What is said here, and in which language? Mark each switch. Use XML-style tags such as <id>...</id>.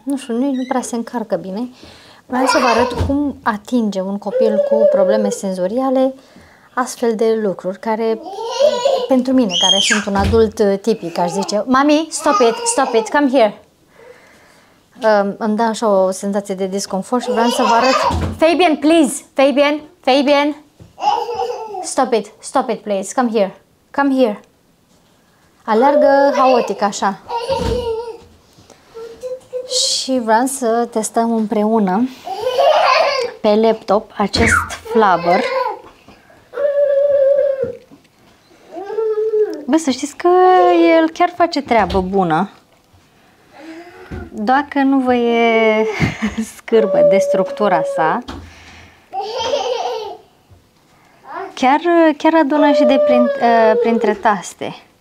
<ro>Nu știu, nu prea se încarcă bine. Vreau să vă arăt cum atinge un copil cu probleme senzoriale astfel de lucruri care, pentru mine, care sunt un adult tipic, aș zice, mami,</ro> <en>stop it, come here.</en> <ro>Îmi dă așa o senzație de disconfort și vreau să vă arăt.</ro> <en>Fabian, please, Fabian. Stop it, please, come here.</en> <ro>Alergă haotic, așa. Și vreau să testăm împreună pe laptop acest flubber. Bă, să știți că el chiar face treabă bună. Dacă nu vă e scârbă de structura sa, chiar adună și de printre taste.</ro>